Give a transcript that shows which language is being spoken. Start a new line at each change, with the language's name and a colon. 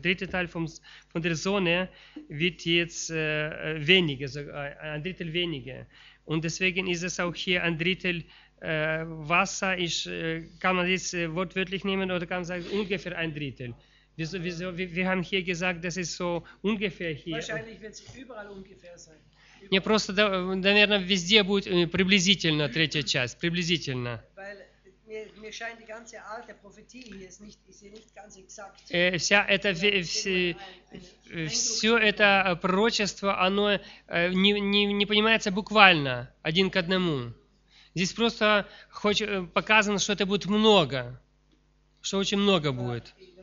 German: Dritte Teil von der Sonne wird jetzt weniger, ein Drittel weniger. Und deswegen ist es auch hier ein Drittel Wasser, kann man jetzt wortwörtlich nehmen oder kann man sagen, ungefähr ein Drittel. Wir haben hier gesagt, das ist so ungefähr hier. Wahrscheinlich wird es überall ungefähr sein. Überall.
Russian: Nee, просто, наверное, везде будет приблизительно третья часть, приблизительно.
German: Mir scheint die ganze Art der Prophetie hier ist nicht ganz exakt.
Russian: Вся это все это пророчество, оно не понимается буквально один к одному. Здесь просто показано, что это будет много, что очень много будет.